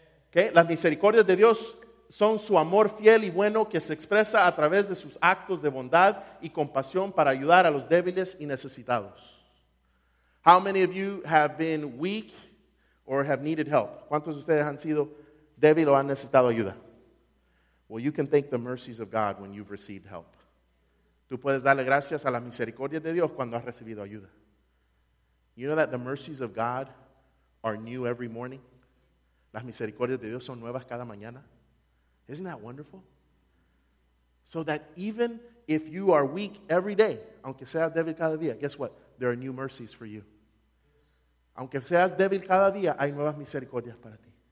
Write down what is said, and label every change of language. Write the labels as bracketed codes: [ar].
[en] Okay? [es] Las misericordias de Dios son su amor fiel y bueno que se expresa a través de sus actos de bondad y compasión para ayudar a los débiles y necesitados. [en] How many of you have been weak or have needed help? [es] ¿Cuántos de ustedes han sido débil o han necesitado ayuda? [en] Well, you can thank the mercies of God when you've received help. [es] Tú puedes darle gracias a la misericordia de Dios cuando has recibido ayuda. [en] You know that the mercies of God are new every morning? [es] Las misericordias de Dios son nuevas cada mañana. [en] Isn't that wonderful? So that even if you are weak every day, [es] aunque seas débil cada día, [en] guess what? There are new mercies for you. [es] Aunque seas débil cada día, hay nuevas misericordias para ti.